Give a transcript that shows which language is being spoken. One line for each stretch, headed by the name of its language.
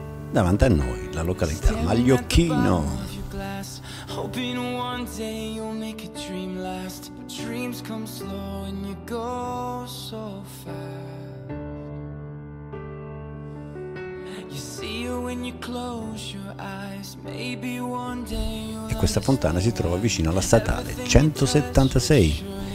Italian: Davanti a noi la località Magliocchino.
English: Hoping one day you'll make a dream last. But dreams come slow and you go so fast. You see you when you close your eyes. Maybe one day you'll.
Italian: E questa fontana si trova vicino alla statale 176.